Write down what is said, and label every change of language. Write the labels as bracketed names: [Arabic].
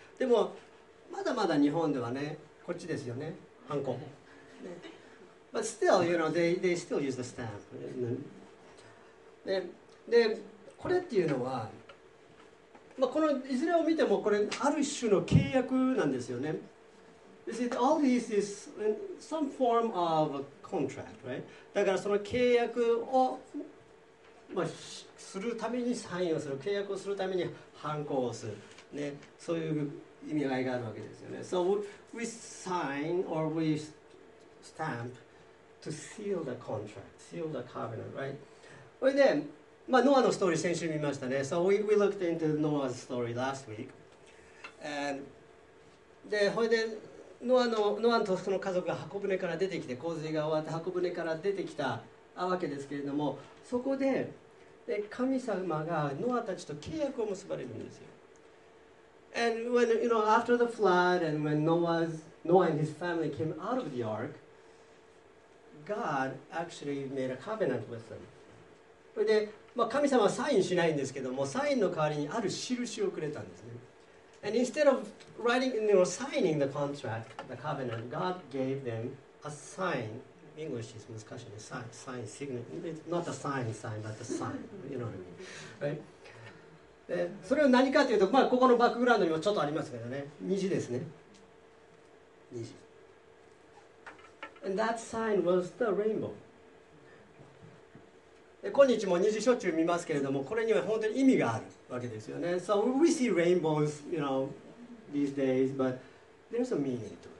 [Japanese] でもまだまだ日本ではね、こっちですよね、ハンコ、ね、 [English] But still, you know, they still use the stamp。 [Japanese] でこれっていうのは、まあ、このいずれを見てもこれある種の契約なんですよね。 [English] You see, all this is some form of a contract, right? [Japanese] だからその契約を、まあ、するためにサインをする、契約をするためにハンコをする、ね、そういう意味合いがあるわけですよね。 [English] So we sign or we stamp to seal the contract, seal the covenant, right? [Japanese] それで、まあ、ノアのストーリー先週見ましたね。 [English] So we looked into Noah's story last week. [Japanese] And それでノアとその家族が箱舟から出てきて、洪水が終わって箱舟から出てきたわけですけれども、そこ で神様がノアたちと契約を結ばれるんですよ。 [English] And when, you know, after the flood and when Noah and his family came out of the ark, God actually made a covenant with them. [Japanese] それで、まあ、神様はサインしないんですけども、サインの代わりにある印をくれたんですね。 [English] And instead of writing, you know, signing the contract, the covenant, God gave them a sign. English is [Japanese] 難しいね。 [English] Sign, signet. It's not a sign, but a sign. You know what I mean? Right? [Japanese] で、それは何かというと、まあ、ここのバックグラウンドにもちょっとありますけどね。虹ですね。虹。 [English] And that sign was the rainbow. [Japanese] 今日も虹しょっちゅう見ますけれども、これには本当に意味があるわけですよね。 [English] So we see rainbows, you know, these days, but there's a meaning to it.